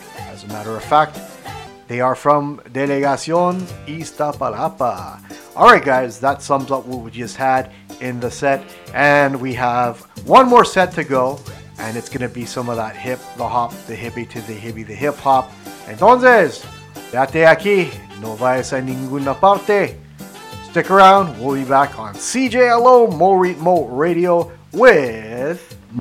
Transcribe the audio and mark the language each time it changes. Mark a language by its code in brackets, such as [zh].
[en] As a matter of fact, they are from Delegación Iztapalapa. All right, guys, that sums up what we just had in the set, and we have one more set to go, and it's gonna be some of that hip, the hop, the hippie to the hippie, the hip hop. [es] Entonces, date aquí, no vayas a ninguna parte. [en] Stick around, we'll be back on CJLO Moritmo Radio with